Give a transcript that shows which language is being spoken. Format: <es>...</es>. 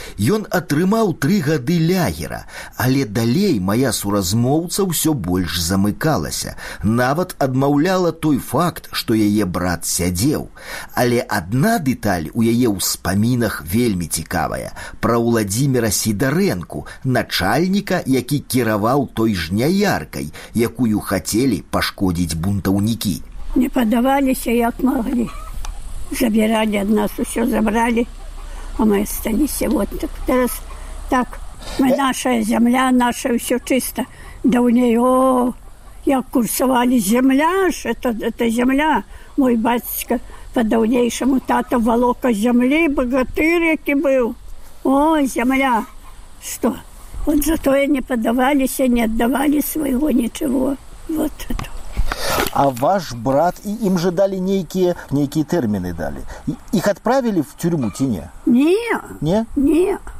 <be>Ён атрымаў 3 гады лагера, але далей моя суразмоўца ўсё больш замыкалася, нават адмаўляла той факт, што яе брат сядзеў. Але адна дэталь у яе ўспамінах вельмі цікавая, пра Уладзіміра Сідарэнку, начальніка, які кіраваў той жняяркай, якую хацелі пашкодзіць бунтаўнікі.</be> <ru>Не подавалися, як могли. Забирали от нас, все забрали. А мы остались вот так. Зараз так, мы наша земля, наша все чисто. Да у неї, о, як курсували, земля ж, это земля. Мой батюшка по-давнейшому, тата волока землі, богатырь, який був. О, земля, что? Вот зато не подавалися, не отдавали своего ничего. Вот это. А ваш брат, им же дали некие термины дали. Их отправили в тюрьму, тине? Не.</ru>